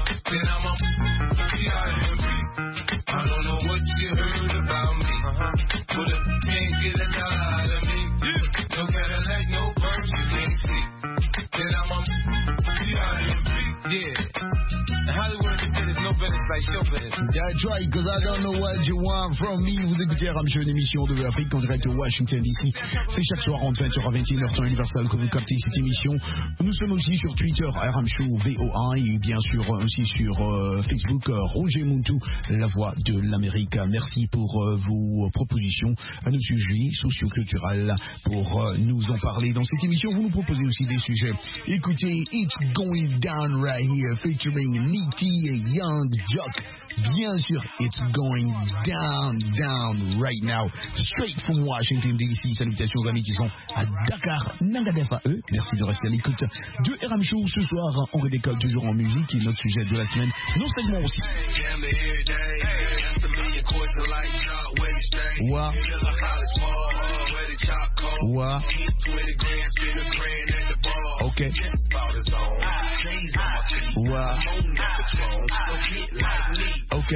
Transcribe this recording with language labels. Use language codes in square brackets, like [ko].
[en] Then I'm a P-I-M-P. I don't know what you heard about me. But if you can't get a dollar out of me, yeah. No Cadillac, no birds you can't see. Then I'm a P-I-M-P. Yeah. Hollywood is there's no business like show business. That's right, because I don't know what you want from me. [fr] Vous écoutez RMG, une émission de l'Afrique en direct de Washington D.C. C'est chaque soir entre 20h à 21h, temps universel, que vous captez cette émission. Nous sommes aussi sur Twitter, RMG VOA, et bien sûr aussi sur Facebook, Roger Muntou, la voix de l'Amérique. Merci pour vos propositions à nos sujets socio-culturels pour nous en parler dans cette émission. Vous nous proposez aussi des sujets. Écoutez, It's Going Down Right Here, featuring Nitty et Young Jock. [en] Bien sûr, it's going down, down right now. Straight from Washington D.C. [fr] Salutations aux amis qui sont à Dakar, Nangadefa. Merci de rester à l'écoute de RM Show ce soir. On redécolle toujours en musique et notre sujet de la semaine, non seulement aussi. Ok. Ouah. Ok.